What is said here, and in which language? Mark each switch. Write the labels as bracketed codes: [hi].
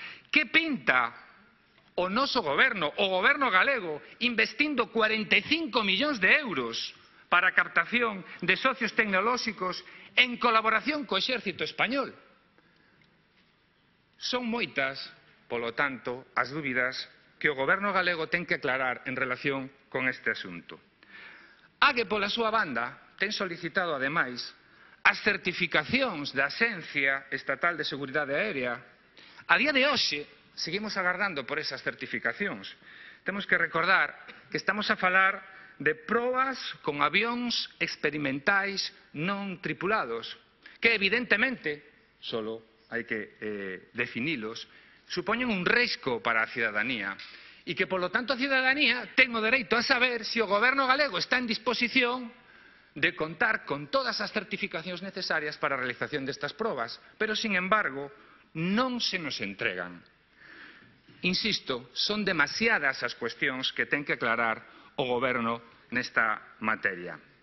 [gl] ¿Qué pinta o noso gobierno, o gobierno galego, investindo 45 millones de euros para captación de socios tecnológicos en colaboración co exército español? Son moitas, por lo tanto, las dúbidas que o gobierno galego ten que aclarar en relación con este asunto. AGE, pola súa banda, ten solicitado, además, as certificacións da Axencia Estatal de Seguridade Aérea. A día de hoxe, seguimos agardando por esas certificacións. Temos que recordar que estamos a falar de probas con avións experimentais non tripulados, que evidentemente, solo hai que definilos, supoñen un risco para a ciudadanía. [es] Y que, por lo tanto, a ciudadanía tengo derecho a saber si el gobierno galego está en disposición de contar con todas las certificaciones necesarias para la realización de estas pruebas. Pero, sin embargo, no se nos entregan. Insisto, son demasiadas las cuestiones que tiene que aclarar el gobierno en esta materia.